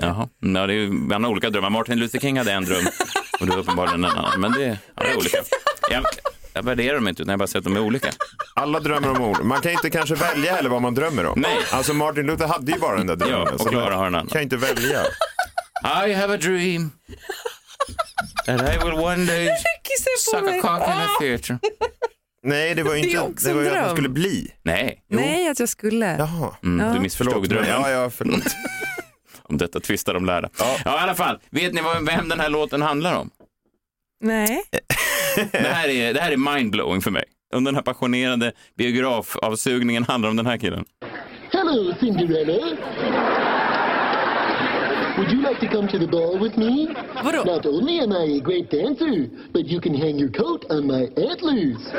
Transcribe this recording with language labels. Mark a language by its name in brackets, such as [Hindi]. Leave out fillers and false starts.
[Swedish] Jaha. Ja, det är ju, vi har olika drömmar. Martin Luther King hade en dröm och du uppenbarligen en annan. Men det, ja, det är olika. Jag värderar dem inte utan jag bara säger att de är olika. Alla drömmer om ord. Man kan inte kanske välja heller vad man drömmer om. Nej. Alltså Martin Luther hade ju bara den där drömmen. Ja, och Clara har en annan. Kan inte välja. [English] I have a dream that I will one day suck a cock in a theater. [Swedish] Nej, det var ju inte det var ju att man skulle bli. Nej. Jo. Nej, att jag skulle. Jaha. Mm, ja. Du missförstod drömmen. Ja, förlåt. Om detta tvistar de lärda. Ja, i alla fall. Vet ni vem den här låten handlar om? Nej. Det här är mindblowing för mig. Om den här passionerade biografavsugningen handlar om den här killen. [English] Hello, Cinderella. Would you like to come to the ball with me? [Swedish] Vadå? [English] Not only am I a great dancer, but you can hang your coat on my antlers.